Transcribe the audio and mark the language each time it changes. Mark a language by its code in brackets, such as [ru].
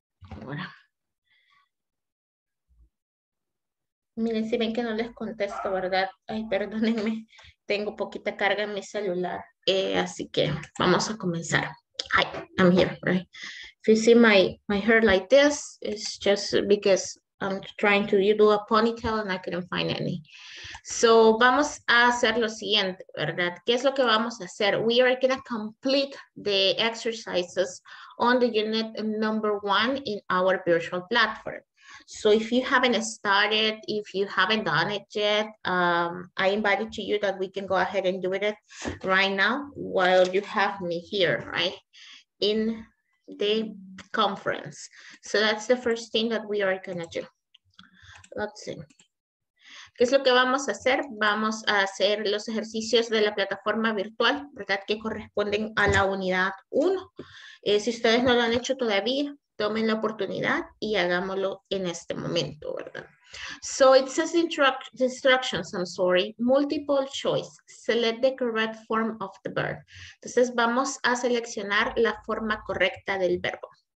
[es] Ahora. Miren, si ven que no les contesto, ¿verdad? Ay, perdónenme, tengo poquita carga en mi celular. Así que vamos a comenzar. [en] Hi, I'm here, right? If you see my hair like this, it's just because I'm trying to do a ponytail and I couldn't find any. [es] So, vamos a hacer lo siguiente, ¿verdad? ¿Qué es lo que vamos a hacer? [en] We are going to complete the exercises on the unit number 1 in our virtual platform. So, if you haven't started, if you haven't done it yet, I invite it to you that we can go ahead and do it right now while you have me here, right, in the conference. So, that's the first thing that we are going to do. Let's see. [es] ¿Qué es lo que vamos a hacer? Vamos a hacer los ejercicios de la plataforma virtual, ¿verdad? Que corresponden a la unidad 1. Si ustedes no lo han hecho todavía, tomen la oportunidad y hagámoslo en este momento, ¿verdad? [en] So it says instructions, I'm sorry, multiple choice, select the correct form of the verb. [es] Entonces vamos a seleccionar la forma correcta del verbo.